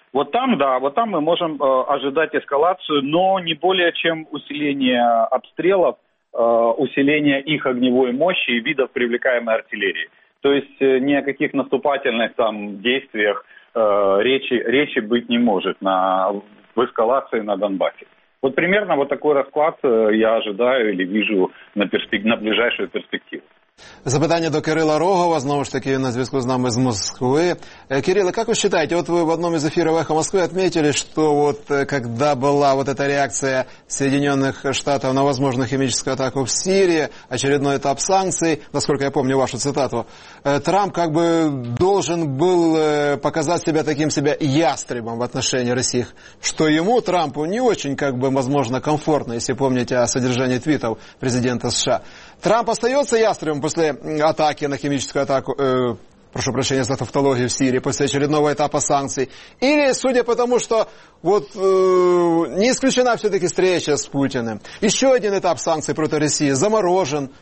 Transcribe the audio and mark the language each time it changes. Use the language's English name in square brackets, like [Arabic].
[Russian] Вот там, да, вот там мы можем ожидать эскалацию, но не более чем усиление обстрелов, усиление их огневой мощи и видов привлекаемой артиллерии. То есть ни о каких наступательных там действиях речи быть не может в эскалации на Донбассе. Вот примерно вот такой расклад я ожидаю или вижу на ближайшую перспективу. [Ukrainian] Запитання до Кирила Рогова, знову ж таки, на зв'язку з нами з Москви. Кирило, як ви вважаєте, от ви в одному з ефірів «Эхо Москви» відмітили, що от коли була от ця реакція Сполучених Штатів на можливу хімічну атаку в Сирії, очередний етап санкцій, наскільки я пам'ятаю вашу цитату, Трамп як би должен був показати себе таким себе ястребом [Russian] в отношении [Ukrainian] Росії, що йому, Трампу, [Russian] не очень, [Ukrainian] як би, можливо, комфортно, якщо пам'ятаєте о содержанні твітів президента США. [Russian] Трамп остается ястребом после атаки на химическую атаку, прошу прощения за тавтологию в Сирии, после очередного этапа санкций? Или, судя по тому, что вот не исключена все-таки встреча с Путиным, еще один этап санкций против России заморожен.